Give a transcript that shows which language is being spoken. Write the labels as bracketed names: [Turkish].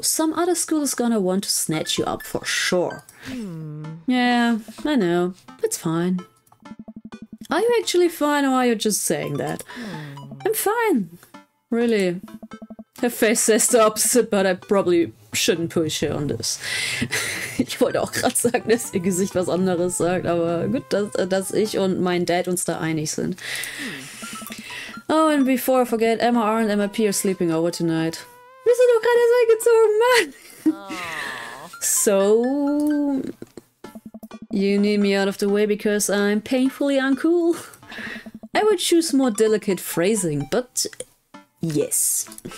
[English] Some other school is gonna want to snatch you up for sure. Hmm. Yeah, I know. It's fine. Are you actually fine or are you just saying that? Hmm. I'm fine. Really. Her face says the opposite, but I probably shouldn't push her on this. [German] Ich wollte auch gerade sagen, dass ihr Gesicht was anderes sagt, aber gut, dass ich und mein Dad uns da einig sind. [English] Oh, and before I forget, MR and MIP are sleeping over tonight. [German] Wir sind doch gerade so eingezogen, Mann! [English] So, you need me out of the way because I'm painfully uncool? I would choose more delicate phrasing, but yes.